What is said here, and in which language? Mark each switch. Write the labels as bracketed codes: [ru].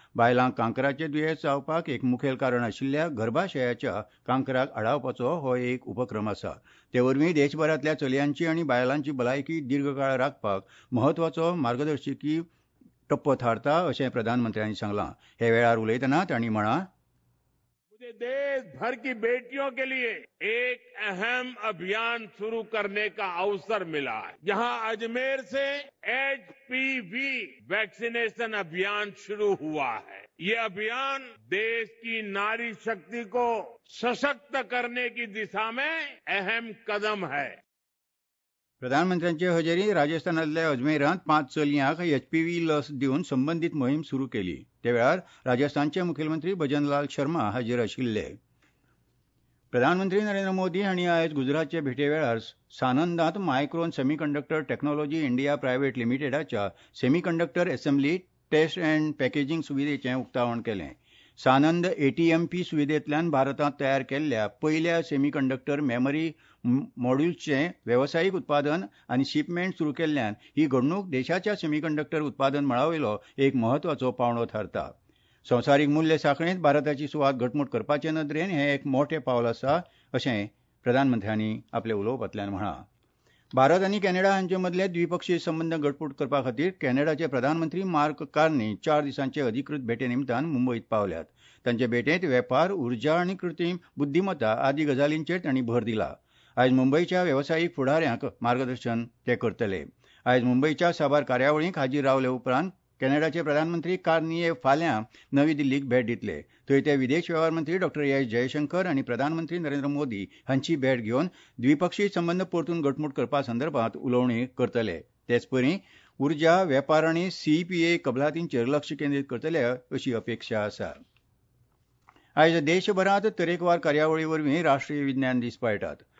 [kok] बायलांक कांकराचे दुयेंस जावपाक एक मुखेल कारण आशिल्ल्या गर्भाशयाच्या कांकराक आडावपाचो हो एक उपक्रम आसा. ते वरवीं देशभरांतल्या चलयांची आनी बायलांची भलायकी दीर्घकाळ राखपाक म्हत्वाचो मार्गदर्शिकी टप्पो थारता अशें प्रधानमंत्र्यांनी सांगलां. हे वेळार उलयतना तांणी म्हळां, [hi] देश भर की बेटियों के लिए एक अहम अभियान शुरू करने का अवसर मिला है. यहाँ अजमेर से HPV वैक्सीनेशन अभियान शुरू हुआ है. ये अभियान देश की नारी शक्ति को सशक्त करने की दिशा में अहम कदम है. [kok] प्रधानमंत्र्यांचे हजेरी राजस्थानातल्या अजमेरांत 5 चलयांक HPV लस दिवन संबंधित मोहीम सुरू केली. त्या वेळार राजस्थानचे मुखेलमंत्री भजनलाल शर्मा हाजीर आशिल्ले. प्रधानमंत्री नरेंद्र मोदी हांणी आयज गुजरातचे भेटे वेळार सानंदांत micron semiconductor technology India private लिमिटेडाच्या semiconductor assembly test and packaging सुविधेचे उक्तावण केले. सानंद ATMP सुविधेतल्यान भारतात तयार केल्ल्या पहिल्या सेमीकंडक्टर मेमरी मॉड्यूल्सचे वेवसायीक उत्पादन आनी शिपमेंट सुरू केल्ल्यान ही घडणूक देशाच्या सेमीकंडक्टर उत्पादन मळावेलो एक म्हत्वाचो पावंडो थारता. संवसारीक मूल्य साखळेंत भारताची सुवात घटमूट करपाचे नदरेन हे एक मोठे पावल आसा अशें प्रधानमंत्र्यांनी आपल्या उलोवपांतल्यान म्हळां. भारत आनी कॅनडा हांचे मदले द्विपक्षीय संबंध घटमूट करपा खातीर कॅनडाचे प्रधानमंत्री मार्क कार्नी 4 दिसांचे अधिकृत भेटे निमतान मुंबयत पावल्यात. तांचे भेटेंत वेपार, उर्जा आनी कृत्रीम बुद्धीमत्ता आदी गजालींचेर तांणी भर दिला. आयज मुंबयच्या वेवसायीक फुडाऱ्यांक मार्गदर्शन ते करतले. आयज मुंबयच्या साबार कार्यावळींक हाजीर रावले उपरांत कॅनडाचे प्रधानमंत्री कार्निये फाल्यां नवी दिल्लीक भेट दितले. थंय ते विदेश वेव्हार मंत्री डॉ एस जयशंकर आनी प्रधानमंत्री नरेंद्र मोदी हांची भेट घेवन द्विपक्षीय संबंध परतून घटमूट करपा संदर्भात उलोवणी करतले. तेच परी उर्जा, वेपार आनी CPA कबलातींचेर लक्ष केंद्रीत करतले अशी अपेक्षा आसा. आयज देशभरांत तरेकवार कार्यावळीवरवीं राष्ट्रीय विज्ञान दीस पाळटात.